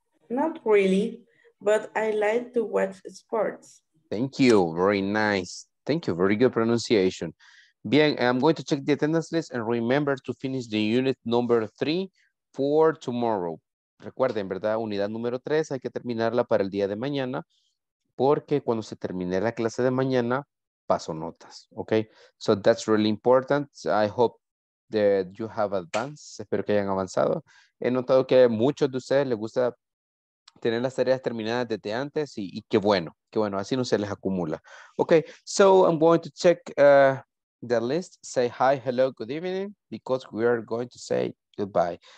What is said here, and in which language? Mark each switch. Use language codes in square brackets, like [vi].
[en] Not really, but I like to watch sports. Thank you. Very nice. Thank you. Very good pronunciation. Bien, I'm going to check the attendance list and remember to finish the unit number 3 for tomorrow. [es] Recuerden, ¿verdad? Unidad número 3, hay que terminarla para el día de mañana porque cuando se termine la clase de mañana, paso notas, ¿ok? [en] So that's really important. I hope that you have advanced. [es] Espero que hayan avanzado. He notado que muchos de ustedes les gusta tener las tareas terminadas desde antes y qué bueno, así no se les acumula. [en] Ok, so I'm going to check the list, say hi, hello, good evening, because we are going to say goodbye.